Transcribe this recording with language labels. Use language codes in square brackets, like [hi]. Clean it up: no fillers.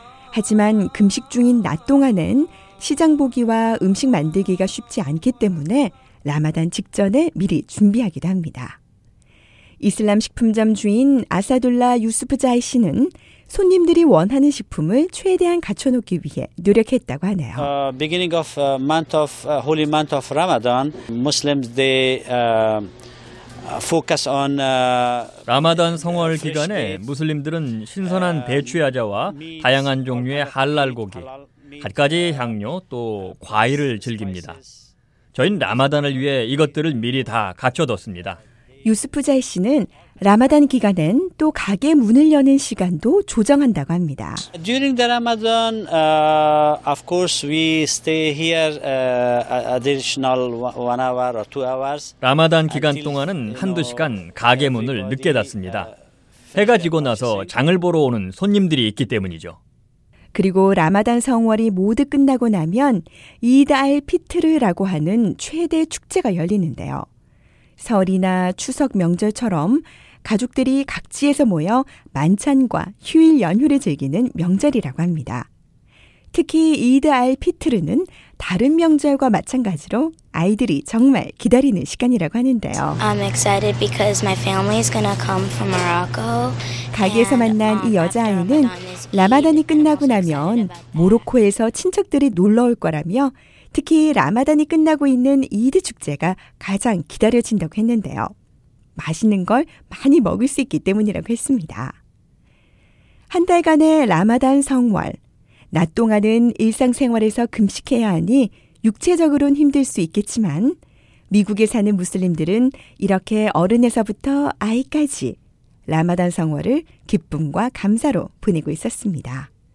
[ko] 하지만 금식 중인 낮 동안은 시장 보기와 음식 만들기가 쉽지 않기 때문에 라마단 직전에 미리 준비하기도 합니다. 이슬람 식품점 주인 아사둘라 유스프 자이 씨는 손님들이 원하는 식품을 최대한 갖춰놓기 위해 노력했다고 하네요. [en] Beginning of month of holy month of Ramadan, Muslims they focus on [ko] 라마단 성월 기간에 무슬림들은 신선한 배추야자와 다양한 종류의 할랄 고기, 갖가지 향료 또 과일을 즐깁니다. 저희는 라마단을 위해 이것들을 미리 다 갖춰뒀습니다. 유스프 자이 씨는 라마단 기간엔 또 가게 문을 여는 시간도 조정한다고 합니다. [en] During the Ramadan, of course, we stay here additional 1 hour or 2 hours. [ko] 라마단 기간 동안은 한두 시간 가게 문을 늦게 닫습니다. 해가 지고 나서 장을 보러 오는 손님들이 있기 때문이죠. 그리고 라마단 성월이 모두 끝나고 나면 이드 알 피트르라고 하는 최대 축제가 열리는데요. 설이나 추석 명절처럼 가족들이 각지에서 모여 만찬과 휴일 연휴를 즐기는 명절이라고 합니다. 특히 이드 알 피트르는 다른 명절과 마찬가지로 아이들이 정말 기다리는 시간이라고 하는데요. [en] I'm excited because my family is gonna come from Morocco. [ko] 가게에서 만난 이 여자아이는 라마단이 끝나고 나면 모로코에서 친척들이 놀러 올 거라며 특히 라마단이 끝나고 있는 이드 축제가 가장 기다려진다고 했는데요. 맛있는 걸 많이 먹을 수 있기 때문이라고 했습니다. 한 달간의 라마단 성월, 낮 동안은 일상생활에서 금식해야 하니 육체적으로는 힘들 수 있겠지만 미국에 사는 무슬림들은 이렇게 어른에서부터 아이까지 라마단 성월을 기쁨과 감사로 보내고 있었습니다.